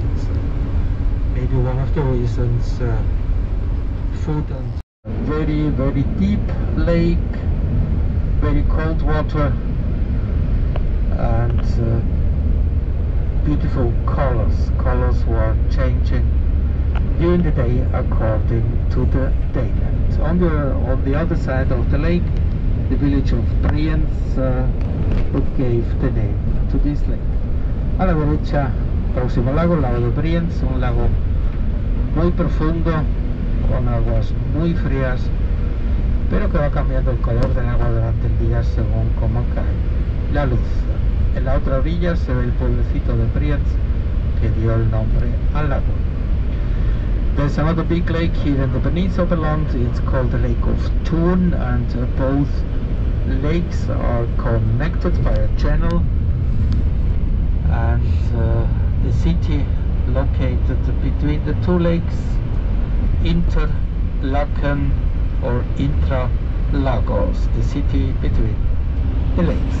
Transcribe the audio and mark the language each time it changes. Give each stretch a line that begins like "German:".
English: It's maybe one of the reasons food and very, very deep lake, very cold water, and beautiful colors. Colors were changing during the day according to the daylight. On the other side of the lake, the village of Brienz gave the name to this lake.
Spanish: A la derecha, próximo lago, el lago de Brienz, un lago muy profundo, con aguas muy frías, pero que va cambiando el color del agua durante el día según cómo cae la luz. En la otra orilla se ve el pueblecito de Brienz, que dio el nombre al lago.
English: There's another big lake here in the peninsula land. It's called the Lake of Thun, and both lakes are connected by a channel, and the city located between the two lakes, Interlaken or Intralagos, the city between the lakes.